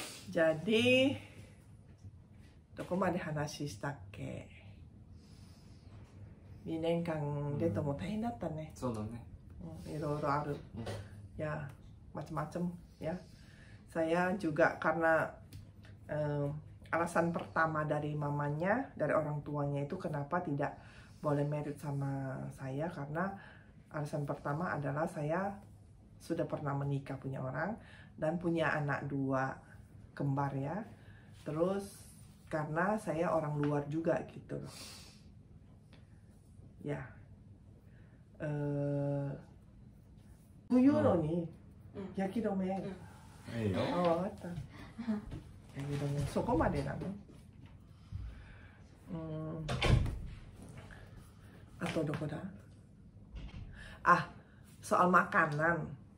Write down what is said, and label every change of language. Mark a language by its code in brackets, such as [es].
[ja] じゃあ、で、どこまで話したっけ。 2年間レッドも大変だったね。うん、そうだね。いろいろある。うん、いや、まちまちも。 [id] ya saya juga karena alasan pertama dari mamanya dari orang tuanya itu kenapa tidak boleh married sama saya karena alasan pertama adalah saya sudah pernah menikah punya orang dan punya anak dua kembar ya terus karena saya orang luar juga gitu ya Tuyuno ni [ja] 焼き止め、うん、いいよ。あ、分かった。焼き止め、そこまでなの。あとどこだ？あ、そう、マカナン。